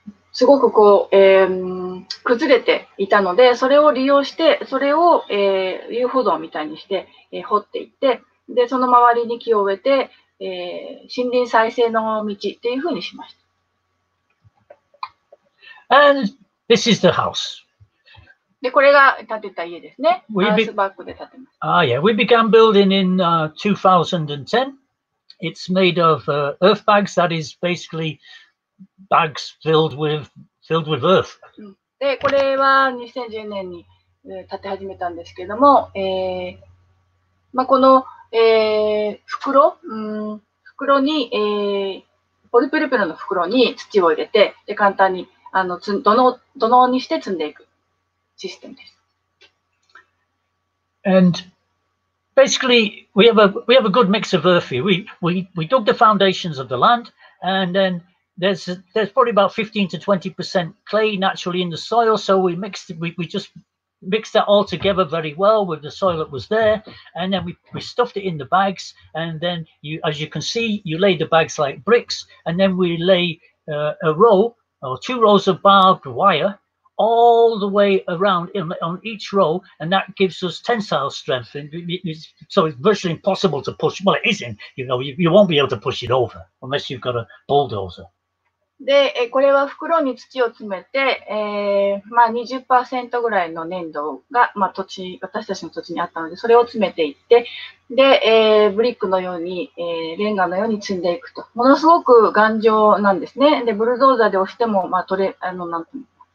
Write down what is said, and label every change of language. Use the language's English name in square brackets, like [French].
[Japanese] すごくこう、崩れていたので、それを利用して、それを、遊歩道みたいにして、掘っていって、で、その周りに木を植えて、森林再生の道っていうふうにしました。 [English] And this is the house. [Japanese] で、これが建てた家ですね。ハウスバックで建てました。 [English] Ah, yeah. We began building in 2010. It's made of earth bags that is basically... Bags filled with earth. [Japanese] で、これは2010年に建て始めたんですけども、まあ、この、袋に、ポリプルプルの袋に土を入れて、で簡単に土のうにして積んでいくシステムです。 [English] And... Basically, we have a good mix of earth here. We dug the foundations of the land, and then there's probably about 15-20% clay naturally in the soil. So we just mixed that all together very well with the soil that was there, and then we stuffed it in the bags. And then you, as you can see, you lay the bags like bricks, and then we lay a row or two rows of barbed wire. All the way around on each row, and that gives us tensile strength. So it's virtually impossible to push. Well, it isn't. You know, you won't be able to push it over unless you've got a bulldozer. [Japanese] で、これは袋に土を詰めて、まあ 20% ぐらいの粘土が、まあ、私たちの土地にあったので、それを詰めていって、で、ブリックのように、レンガのように積んでいくと。ものすごく頑丈なんですね。で、ブルドーザーで押しても、まあ、取れ、あの、なんていうの。